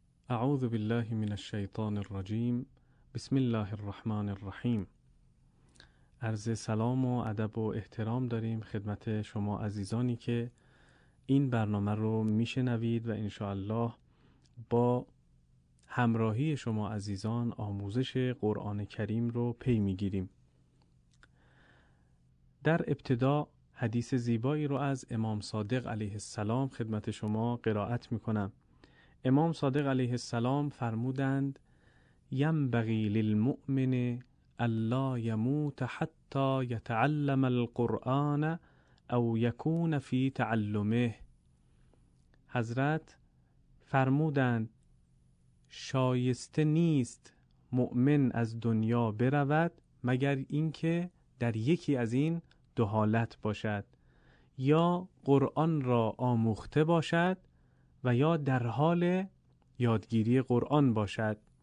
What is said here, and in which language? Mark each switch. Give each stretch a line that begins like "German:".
Arabic: أعوذ بالله من الشيطان الرجيم. بسم الله الرحمن الرحيم.
Persian: عرض سلام و ادب و احترام داریم خدمت شما عزیزانی که این برنامه رو میشنوید و ان شاء الله با همراهی شما عزیزان آموزش قرآن کریم رو پی میگیریم. در ابتدا حدیث زیبایی رو از امام صادق علیه السلام خدمت شما قرائت میکنم. امام صادق علیه السلام فرمودند:
Arabic: ينبغي للمؤمن الا يموت حتى يتعلم القرآن او يكون في تعلمه.
Persian: حضرت فرمودند: شایسته نیست مؤمن از دنیا برود مگر اینکه در یکی از این دو حالت باشد، یا قرآن را آموخته باشد و یا در حال یادگیری قرآن باشد.